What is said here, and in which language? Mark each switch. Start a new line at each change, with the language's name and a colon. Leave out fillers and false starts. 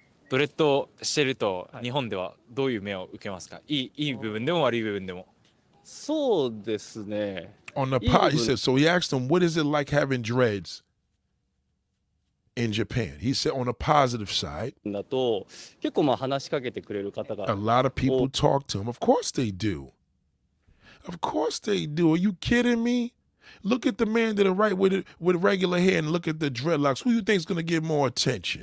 Japanese: ドレッドしてると日本ではどういう目を受けますか? いい部分でも悪い部分でも。そうですね。
English: On the pod, he said, so he asked him, what is it like having dreads in Japan? He said, on a positive side,
Japanese: だと結構まあ話しかけてくれる方が。
English: A lot of people talk to him. Of course they do. Of course they do. Are you kidding me? Look at the man to the right with regular hair and look at the dreadlocks. Who you think is going to get more attention?